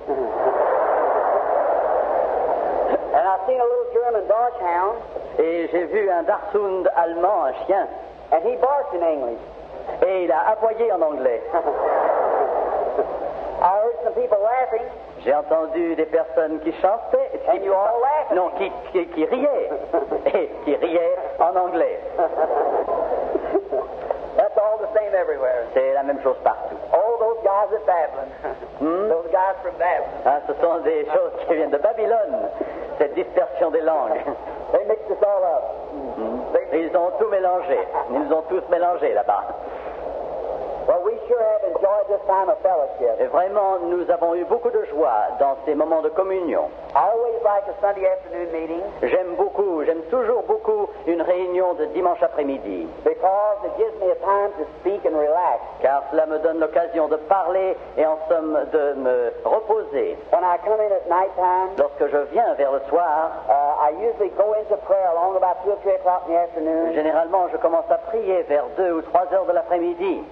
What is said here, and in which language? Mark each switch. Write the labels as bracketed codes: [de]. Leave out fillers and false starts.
[en] And I seen a little German dog hound. [fr] Et j'ai vu un Dachshund allemand, un chien. [en] And he barked in English. [fr] Et il a aboyé en anglais. [en] I heard some people laughing. [fr] J'ai entendu des personnes qui chantaient. [en] And you all laughed. [fr] Non, qui riaient. Et qui riaient en anglais. [en] That's all the same everywhere. [fr] C'est la même chose partout. [en] All those guys at Babylon. Those guys from Babylon. [fr] Ah, ce sont des choses qui viennent de Babylone. Cette dispersion des langues. [en] They mixed us all up. [fr] Ils ont tout mélangé. Ils nous ont tous mélangés là-bas. [en] Well, we sure have enjoyed this time of fellowship. [fr] Et vraiment, nous avons eu beaucoup de joie dans ces moments de communion. [en] I always like a Sunday afternoon meeting. [fr] J'aime toujours beaucoup une réunion de dimanche après-midi. [en] Because it gives me a time to speak and relax. [fr] Car cela me donne l'occasion de parler et en somme de me reposer. [en] When I come in at nighttime, [fr] lorsque je viens vers le soir, [en] I usually go into prayer along about 2 or 3 o'clock in the afternoon. [fr] Généralement, je commence à prier vers 2 ou 3 heures de l'après-midi.